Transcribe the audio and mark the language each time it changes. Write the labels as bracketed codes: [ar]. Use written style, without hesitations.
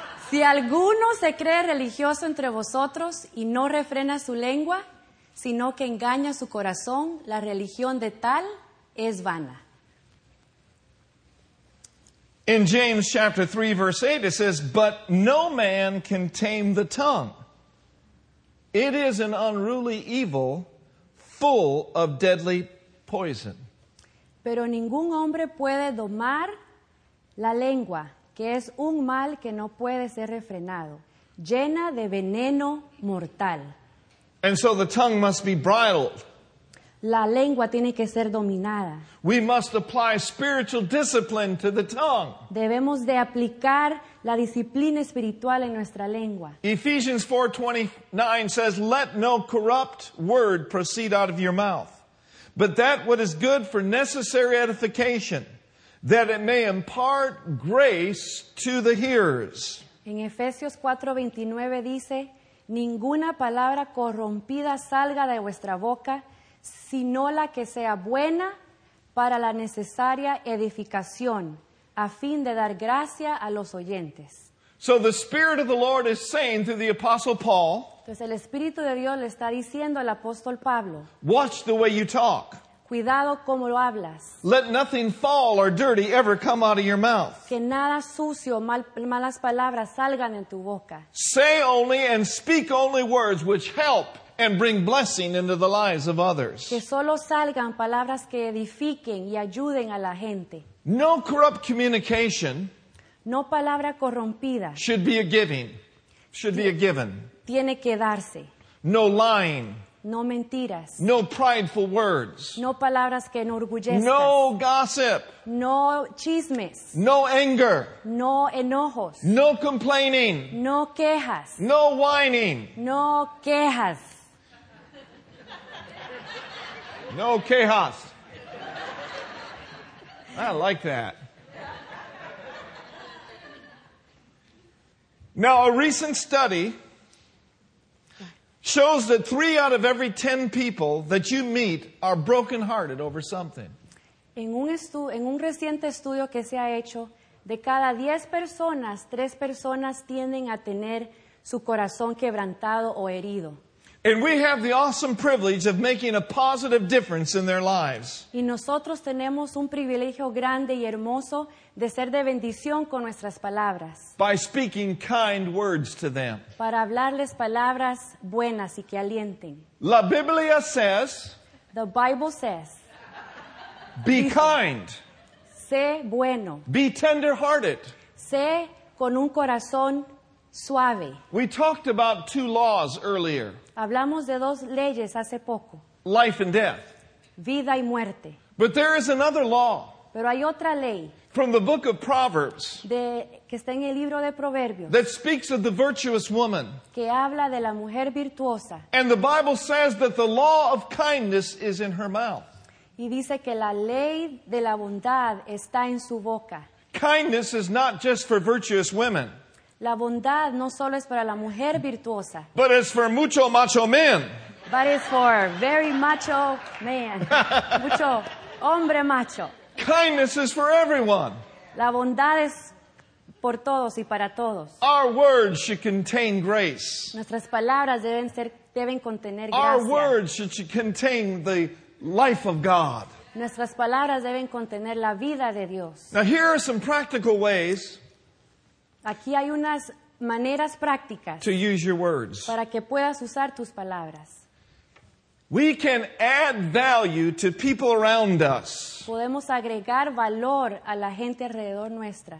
[es] Si alguno se cree religioso entre vosotros y no refrena su lengua, sino que engaña su corazón, la religión de tal es vana. [en] In James chapter 3, verse 8, it says, but no man can tame the tongue. It is an unruly evil, full of deadly poison. [es] Pero ningún hombre puede domar la lengua, que es un mal que no puede ser refrenado, llena de veneno mortal. [en] And so the tongue must be bridled. [es] La lengua tiene que ser dominada. [en] We must apply spiritual discipline to the tongue. [es] Debemos de aplicar la disciplina espiritual en nuestra lengua. [en] Ephesians 4:29 says, let no corrupt word proceed out of your mouth, but that what is good for necessary edification, that it may impart grace to the hearers. [es] En Efesios 4:29 dice, ninguna palabra corrompida salga de vuestra boca, sino la que sea buena para la necesaria edificación, a fin de dar gracia a los oyentes. [en] So the Spirit of the Lord is saying to the Apostle Paul, [es] entonces el Espíritu de Dios le está diciendo al apóstol Pablo, [en] watch the way you talk. [es] Cuidado cómo lo hablas. [en] Let nothing fall or dirty ever come out of your mouth. [es] Que nada sucio, malas palabras salgan en tu boca. [en] Say only and speak only words which help and bring blessing into the lives of others. [es] Que solo salgan palabras que edifiquen y ayuden a la gente. [en] No corrupt communication. [es] No palabra corrompida. [en] Should be a giving. Should be a given. [es] Tiene que darse. [en] No lying. [es] No mentiras. [en] No prideful words. [es] No palabras que enorgullezcan. [en] No gossip. [es] No chismes. [en] No anger. [es] No enojos. [en] No complaining. [es] No quejas. No whining. No quejas. No quejas. [en] I like that. Now, a recent study shows that 3 out of every 10 people that you meet are brokenhearted over something. [es] En un reciente estudio que se ha hecho, de cada 10 personas, 3 personas tienden a tener su corazón quebrantado o herido. [en] And we have the awesome privilege of making a positive difference in their lives. [es] Y nosotros tenemos un privilegio grande y hermoso de ser de bendición con nuestras palabras. [en] By speaking kind words to them. [es] Para hablarles palabras buenas y que alienten. La Biblia says. [en] The Bible says. Be kind. [es] Sé bueno. [en] Be tender-hearted. [es] Sé con un corazón suave. [en] We talked about 2 laws earlier. [es] Hablamos de 2 leyes hace poco. [en] Life and death. [es] Vida y muerte. [en] But there is another law. [es] Pero hay otra ley. [en] From the book of Proverbs. [es] Que está en el libro de Proverbios. [en] That speaks of the virtuous woman. [es] Que habla de la mujer virtuosa. [en] And the Bible says that the law of kindness is in her mouth. [es] Y dice que la ley de la bondad está en su boca. [en] Kindness is not just for virtuous women. [es] La bondad no solo es para la mujer virtuosa. [en] But it's for mucho macho men. But it's for very macho man. [es] Mucho hombre macho. [en] Kindness is for everyone. [es] La bondad es por todos y para todos. [en] Our words should contain grace. [es] Nuestras palabras deben contener gracia. [en] Our words should contain the life of God. [es] Nuestras palabras deben contener la vida de Dios. [en] Now here are some practical ways. [es] Aquí hay unas maneras prácticas [en] to use your words. [es] Para que puedas usar tus palabras. [en] We can add value to people around us. [es] Podemos agregar valor a la gente alrededor nuestra.